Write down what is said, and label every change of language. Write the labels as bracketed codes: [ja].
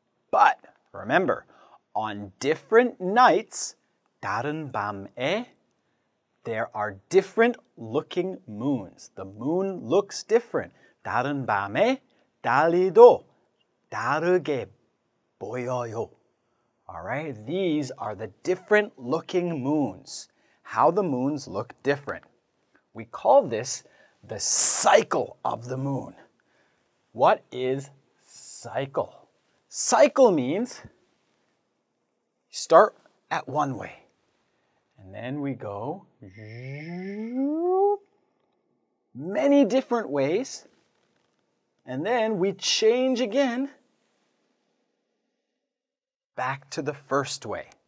[en] But remember, on different nights, [ko] 다른 밤에, [en] there are different looking moons. The moon looks different. [ko] 다른 밤에, 달이도 다르게 보여요. [en] All right, these are the different looking moons. How the moons look different. We call this the cycle of the moon. What is cycle? Cycle means start at one way, and then we go many different ways, and then we change again back to the first way.